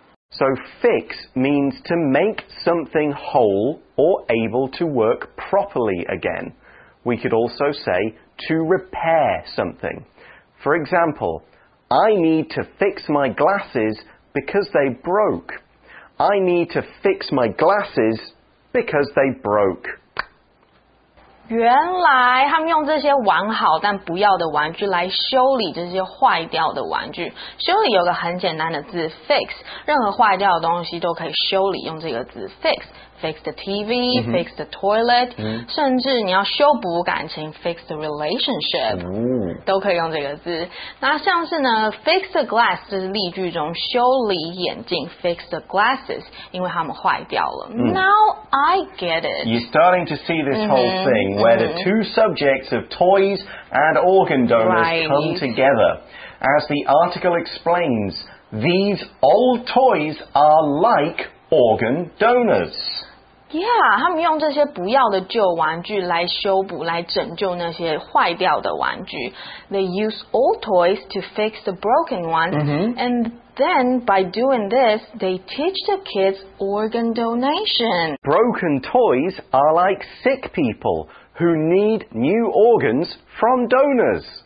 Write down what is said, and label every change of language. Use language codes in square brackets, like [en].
[en] So fix means to make something whole or able to work properly again. We could also say to repair something. For example, I need to fix my glasses because they broke. I need to fix my glasses because they broke. [zh] 原来他们用这些完好但不要的玩具来修理这些坏掉的玩具。修理有个很简单的字 fix， 任何坏掉的东西都可以修理，用这个字 fix。 [en] Fix the TV,、 fix the toilet,、 [zh] 甚至你要修补感情 , [en] fix the relationship,、 [zh] 都可以用这个字。那像是呢 , [en] fix the glass, [zh] 这是例句中修理眼镜 , [en] fix the glasses, [zh] 因为它们坏掉了。 [en] Now I get it. You're starting to see this whole thing where the two subjects of toys and organ donors、come together. As the article explains, these old toys are like... organ donors. [zh] Yeah, 他们用这些不要的旧玩具来修补，来拯救那些坏掉的玩具。 [en] They use old toys to fix the broken ones, and then by doing this, they teach the kids organ donation. Broken toys are like sick people who need new organs from donors.